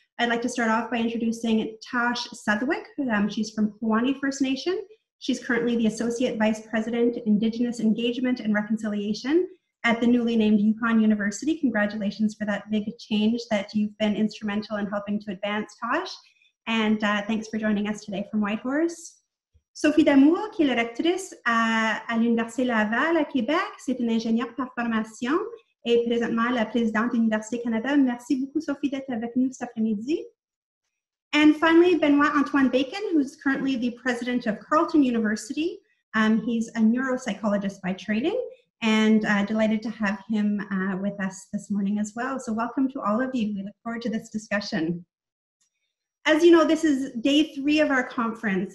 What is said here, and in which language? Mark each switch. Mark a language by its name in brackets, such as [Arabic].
[English] I'd like to start off by introducing Tosh Southwick. She's from Pawnee First Nation. She's currently the Associate Vice President, Indigenous Engagement and Reconciliation at the newly named Yukon University. Congratulations for that big change that you've been instrumental in helping to advance, Tosh. And thanks for joining us today from Whitehorse. [French] Sophie Damour, qui est la rectrice à l'Université Laval à Québec. C'est une ingénieure par formation et présentement la présidente de l'Université Canada. Merci beaucoup, Sophie, d'être avec nous cet après-midi. [English] And finally, Benoit-Antoine Bacon, who's currently the president of Carleton University. He's a neuropsychologist by training. And delighted to have him with us this morning as well. So welcome to all of you. We look forward to this discussion. As you know, this is day three of our conference.